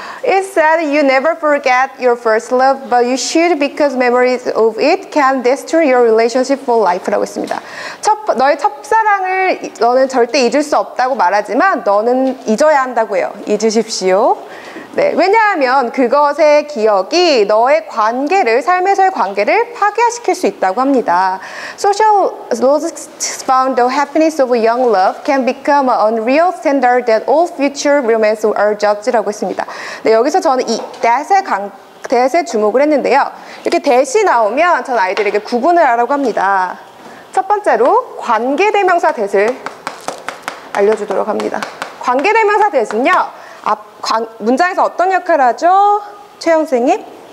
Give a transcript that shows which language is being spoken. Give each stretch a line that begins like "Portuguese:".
English: It's said you never forget your first love, but you should because memories of it can destroy your relationship for life
Korean: 라고 했습니다. 너의 첫사랑을 너는 절대 잊을 수 없다고 말하지만 너는 잊어야 한다고 해요. 잊으십시오. 네, 왜냐하면 그것의 기억이 너의 관계를, 삶에서의 관계를 파괴시킬 수 있다고 합니다.
English: Sociologists found the happiness of young love can become an unreal standard that all future romance are judged
Korean: 라고 했습니다. 네, 여기서 저는 이 that에 주목을 했는데요. 이렇게 that이 나오면 전 아이들에게 구분을 하라고 합니다. 첫 번째로 관계대명사 that을 알려주도록 합니다. 관계대명사 that은요, 문장에서 어떤 역할을 하죠? 최영생님?